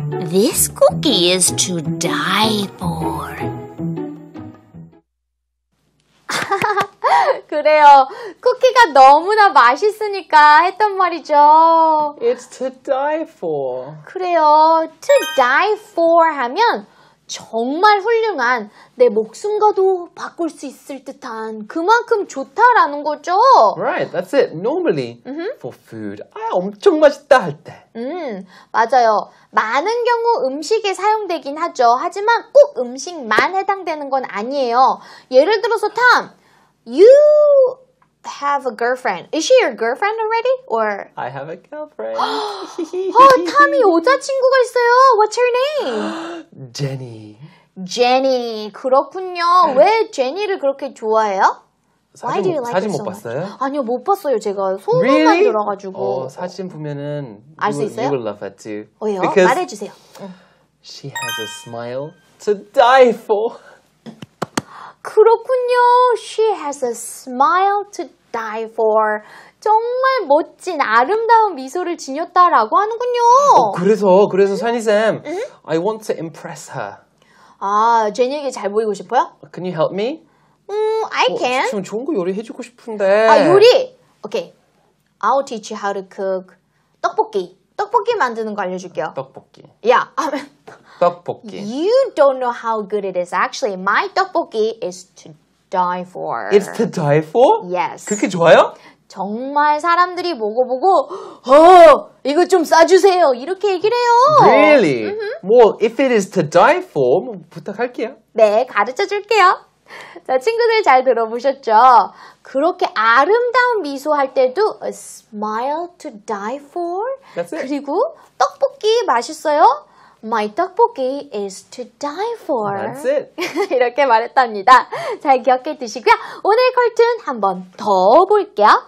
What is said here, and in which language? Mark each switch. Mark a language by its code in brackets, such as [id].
[en] This cookie is to die for. [ko] 그래요. 쿠키가 너무나 맛있으니까 했던 말이죠. [en] It's to die for. [ko] 그래요. [en] To die for [ko] 하면 정말 훌륭한, 내 목숨과도 바꿀 수 있을 듯한 그만큼 좋다라는 거죠. [en] Right, that's it. Normally, for food, [ko] 아, 엄청 맛있다 할 때. 맞아요. 많은 경우 음식에 사용되긴 하죠. 하지만 꼭 음식만 해당되는 건 아니에요. 예를 들어서, [en] Tom, you have a girlfriend. Is she your girlfriend already? Or I have a girlfriend. [ko] 어, 탐이 여자친구가 있어요. [en] What's her name? Jenny. [ko] Jenny. 그렇군요. 네. 왜 제니를 그렇게 좋아해요? [en] 사진, Why do you like [ko] 사진 못 [en] so [ko] 봤어요? 아니요, 못 봤어요. 제가 소문만 [en] really? [ko] 들어가지고. 어, 사진 보면은 알 수 있어요? [en] You will love her too. [ko] 왜요? [en] Because [ko] 말해주세요. [en] She has a smile to die for. [ko] 그렇군요. [en] She has a smile to die for. [ko] 정말 멋진 아름다운 미소를 지녔다라고 하는군요. 어, 그래서 샤니쌤, [en] I want to impress her. [ko] 아, 제니에게 잘 보이고 싶어요? [en] Can you help me? I can. [ko] 좀 좋은 거 요리해주고 싶은데. 아, 요리? Okay. [en] I'll teach you how to cook 떡볶이. [ko] 떡볶이 만드는 거 알려줄게요. 떡볶이. [en] Yeah. [ko] 떡볶이. [en] You don't know how good it is. Actually, my 떡볶이 is to die for. It's to die for? Yes. [ko] 그렇게 좋아요? 정말 사람들이 먹어보고, 어, 이거 좀 싸주세요. 이렇게 얘기를 해요. [en] Really? Well, if it is to die for, [ko] 뭐 부탁할게요. 네, 가르쳐줄게요. 자, 친구들 잘 들어보셨죠? 그렇게 아름다운 미소할 때도 [en] a smile to die for? That's it. [ko] 그리고 떡볶이 맛있어요? [en] My 떡볶이 is to die for. That's it. [ko] 이렇게 말했답니다. 잘 기억해 두시고요. 오늘 컬튼 한 번 더 볼게요.